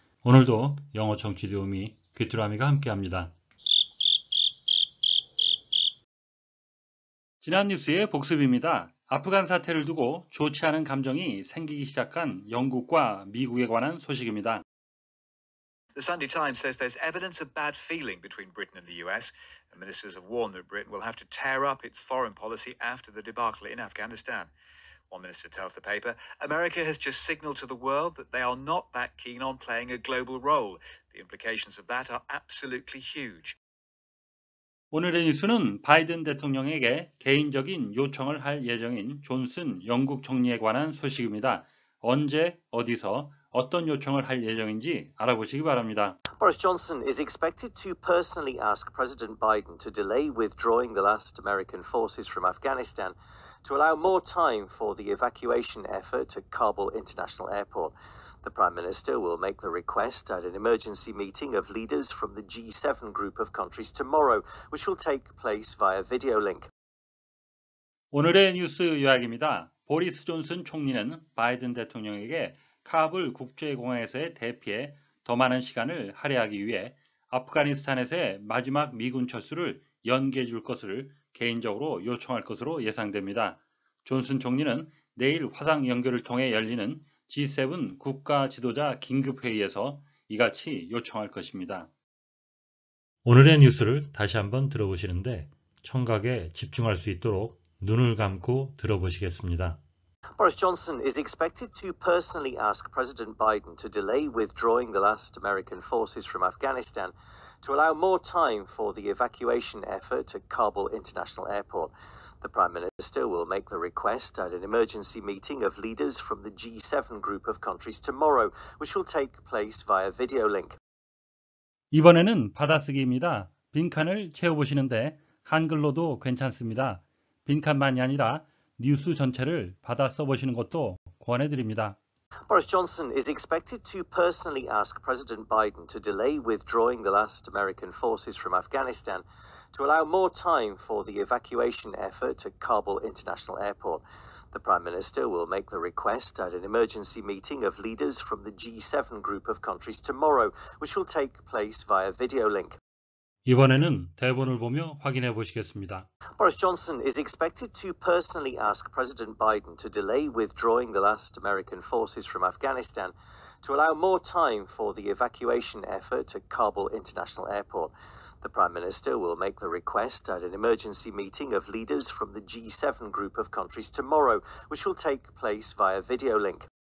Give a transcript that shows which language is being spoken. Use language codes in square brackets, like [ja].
[ko] 오늘도 영어 청취 도우미 귀뚜라미가 함께합니다. 지난 뉴스의 복습입니다. 아프간 사태를 두고 좋지 않은 감정이 생기기 시작한 영국과 미국에 관한 소식입니다. [en] The Sunday Times says there's evidence of bad feeling between Britain and the US. And ministers have warned that Britain will have to tear up its foreign policy after the debacle in Afghanistan. One minister tells the paper, America has just signaled to the world that they are not that keen on playing a global role. The implications of that are absolutely huge. [ko] 오늘의 뉴스는 바이든 대통령에게 개인적인 요청을 할 예정인 존슨 영국 총리에 관한 소식입니다. 언제, 어디서, 어떤 요청을 할 예정인지 알아보시기 바랍니다. [en] Boris Johnson is expected to personally ask President Biden to delay withdrawing the last American forces from Afghanistan to allow more time for the evacuation effort at Kabul International Airport. The Prime Minister will make the request at an emergency meeting of leaders from the G7 group of countries tomorrow, which will take place via video link. [ko] 오늘의 뉴스 요약입니다. 보리스 존슨 총리는 바이든 대통령에게 카불 국제공항에서의 대피에 더 많은 시간을 할애하기 위해 아프가니스탄에서의 마지막 미군 철수를 연기해 줄 것을 개인적으로 요청할 것으로 예상됩니다. 존슨 총리는 내일 화상 연결을 통해 열리는 G7 국가 지도자 긴급회의에서 이같이 요청할 것입니다. 오늘의 뉴스를 다시 한번 들어보시는데 청각에 집중할 수 있도록 눈을 감고 들어보시겠습니다. [en] Boris Johnson is expected to personally ask President Biden to delay withdrawing the last American forces from Afghanistan to allow more time for the evacuation effort at Kabul International Airport. The Prime Minister will make the request at an emergency meeting of leaders from the G7 group of countries tomorrow, which will take place via video link. [ko] 이번에는 받아쓰기입니다. 빈칸을 채워보시는데 한글로도 괜찮습니다. 빈칸만이 아니라 뉴스 전체를 받아 써보시는 것도 권해드립니다. [en] Boris Johnson is expected to personally ask President Biden to delay withdrawing the last American forces from Afghanistan to allow more time for the evacuation effort at Kabul International Airport. The Prime Minister will make the request at an emergency meeting of leaders from the G7 group of countries tomorrow, which will take place via video link. [ko] 이번에는 대본을 보며 확인해 보시겠습니다. [en] Boris Johnson is expected to personally ask President Biden to delay withdrawing the last American forces from Afghanistan to allow more time for the evacuation effort at Kabul International Airport. The Prime Minister will make the request at an emergency meeting of leaders from the G7 group of countries tomorrow, which will take place via video link.